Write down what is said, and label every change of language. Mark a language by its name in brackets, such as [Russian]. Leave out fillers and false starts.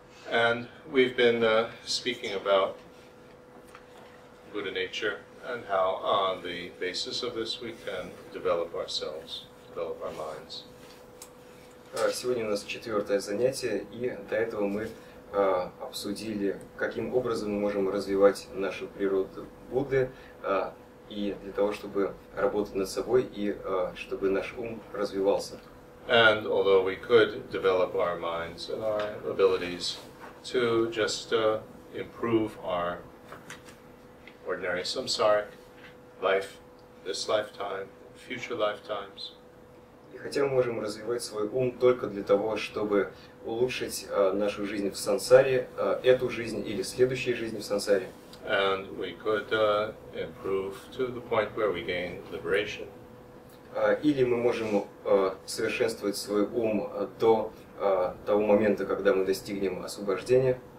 [English] And we've been speaking about Buddha nature and how on the basis of this we can develop ourselves, develop our minds. [Russian] Сегодня у нас четвертое занятие, и до этого мы обсудили, каким образом мы можем развивать нашу природу Будды, и для того, чтобы работать над собой, и чтобы наш ум развивался. [English] And although we could develop our minds and our abilities to just improve our ordinary samsaric life, this lifetime, future lifetimes, [Russian] и хотя мы можем развивать свой ум только для того, чтобы улучшить нашу жизнь в сансаре, эту жизнь или следующую жизнь в сансаре. [English] And we could improve to the point where we gain liberation. [Russian] Или мы можем совершенствовать свой ум до того момента, когда мы достигнем освобождения.